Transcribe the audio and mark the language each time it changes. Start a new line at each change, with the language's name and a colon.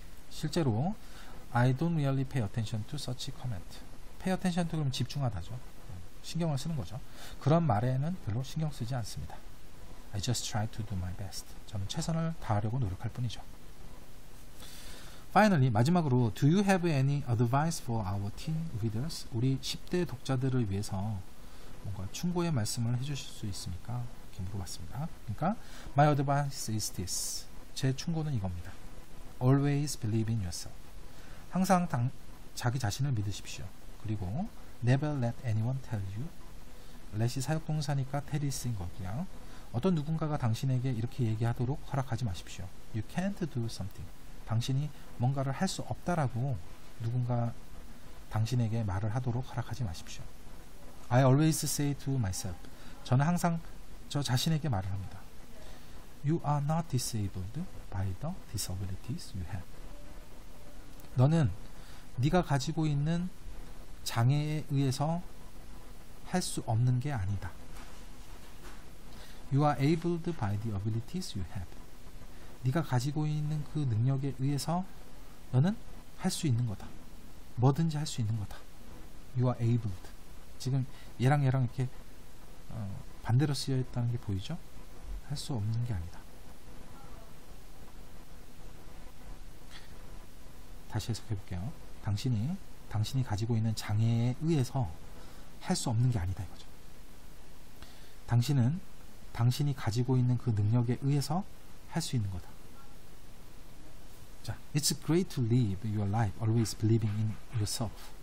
Korean: 실제로
English: I don't really pay attention to such comment. Pay attention to
Korean: 그러면 집중하다죠. 신경을 쓰는 거죠. 그런 말에는 별로 신경 쓰지 않습니다.
English: I just try to do my best.
Korean: 저는 최선을 다하려고 노력할 뿐이죠.
English: Finally,
Korean: 마지막으로
English: Do you have any advice for our teen readers?
Korean: 우리 10대 독자들을 위해서 뭔가 충고의 말씀을 해주실 수 있습니까? 이렇게 물어봤습니다. 그러니까
English: My advice is this.
Korean: 제 충고는 이겁니다.
English: Always believe in yourself.
Korean: 항상 자기 자신을 믿으십시오. 그리고
English: Never let anyone tell you. Let이
Korean: 사역동사니까
English: tell is인 거고요.
Korean: 어떤 누군가가 당신에게 이렇게 얘기하도록 허락하지 마십시오.
English: You can't do something.
Korean: 당신이 뭔가를 할 수 없다라고 누군가 당신에게 말을 하도록 허락하지 마십시오.
English: I always say to myself.
Korean: 저는 항상 저 자신에게 말을 합니다.
English: You are not disabled by the disabilities you have.
Korean: 너는 네가 가지고 있는 장애에 의해서 할 수 없는 게 아니다.
English: You are abled by the abilities you have.
Korean: 네가 가지고 있는 그 능력에 의해서 너는 할 수 있는 거다. 뭐든지 할 수 있는 거다.
English: You are abled.
Korean: 지금 얘랑 이렇게 반대로 쓰여 있다는 게 보이죠? 할 수 없는 게 아니다. 다시 해석해 볼게요. 당신이 가지고 있는 장애에 의해서 할 수 없는 게 아니다 이거죠. 당신은 당신이 가지고 있는 그 능력에 의해서 할 수 있는 거다.
English: 자, It's great to live your life always believing in yourself.